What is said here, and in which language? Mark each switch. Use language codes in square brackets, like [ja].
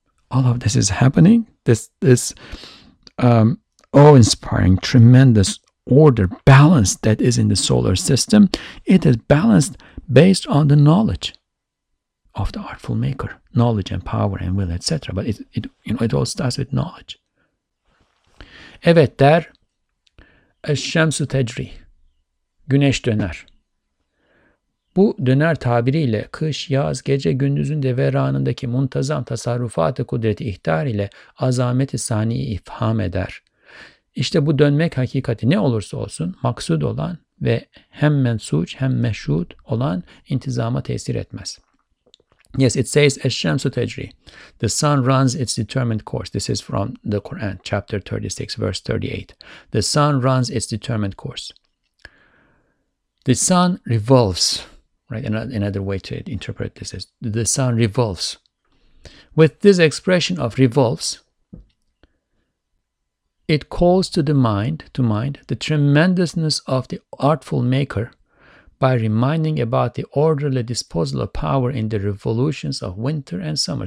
[en] All of this is happening. This awe-inspiring, tremendous order, balance that is in the solar system. It is balanced based on the knowledge of the artful maker. Knowledge and power and will, etc. But it all starts with knowledge. [tr] Evet der, Eşşemsu tecri, güneş döner. Bu döner tabiriyle kış, yaz, gece, gündüzün deveranındaki muntazam tasarrufat-ı kudreti ihtar ile azamet-i saniye ifham eder. İşte bu dönmek hakikati ne olursa olsun maksud olan ve hem mensuç hem meşhud olan intizama tesir etmez. [en] Yes, it says Eşşemsu tecri. The sun runs its determined course. This is from the Quran, chapter 36, verse 38. The sun runs its determined course. The sun revolves, right? Another way to interpret this is the sun revolves. With this expression of revolves, it calls to mind the tremendousness of the artful maker by reminding about the orderly disposal of power in the revolutions of winter and summer.